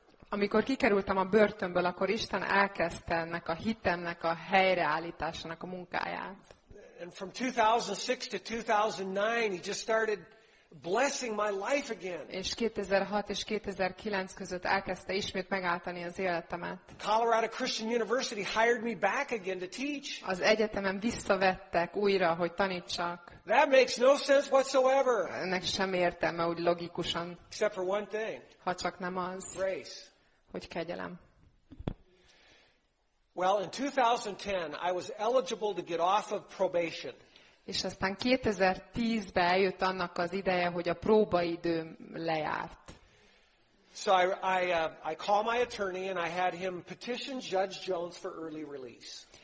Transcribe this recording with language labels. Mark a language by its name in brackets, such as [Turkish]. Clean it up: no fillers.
[Hungarian] Amikor kikerültem a börtönből, akkor Isten elkezdte ennek a hitemnek a helyreállításának a munkáját. [English] And from 2006 to 2009, he just started blessing my life again. [Hungarian] És 2006 és 2009 között elkezdte ismét megáltani az életemet. [English] Colorado Christian University hired me back again to teach. [Hungarian] Az egyetemen visszavettek újra, hogy tanítsak. [English] That makes no sense whatsoever. [Hungarian] Ennek sem értelme, úgy logikusan. [English] Except for one thing. [Hungarian] Ha csak nem az. [English] Grace. [Hungarian] Hogy kegyelem. [English] Well, in 2010 I was eligible to get off of probation. [Hungarian] És aztán 2010-ben eljött annak az ideje, hogy a próbaidőm lejárt. [English] So I call my attorney and I had him petition Judge Jones for early release.